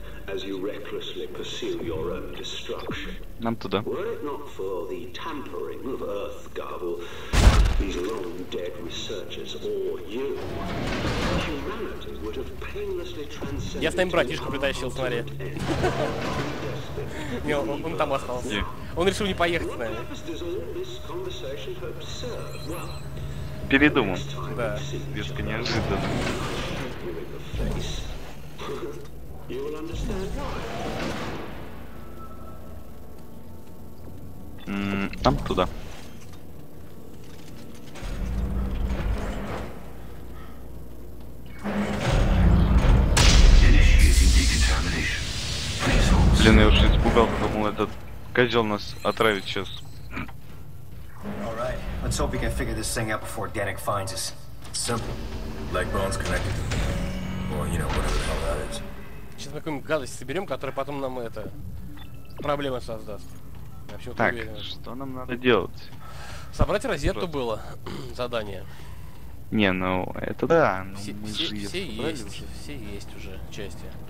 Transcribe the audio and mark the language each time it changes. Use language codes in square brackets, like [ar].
[en] As you recklessly pursue your own destruction. [ru] Нам туда. [en] Were it not for the tampering of Earth Garble, these long dead researchers or you, humanity would have painlessly transcended. [ru] Я с твоим братишкой притащил, смотри. Не, он там остался. Он решил не поехать, наверное. Передумал. Да. Резко неожиданно. Там туда. Блин, я уже испугал, думал, этот козел нас отравит сейчас. [en] All right. Let's hope we can figure this thing out before Denik finds us. Simple. Leg bones connected. Or, you know, whatever the hell that is. [ru] Сейчас мы какую-нибудь гадость соберем, которая потом нам это проблемы создаст. Я вообще-то так, уверен. Что нам надо делать? Собрать розетку просто. Было задание. Не, ну это да. Все есть, все есть уже части.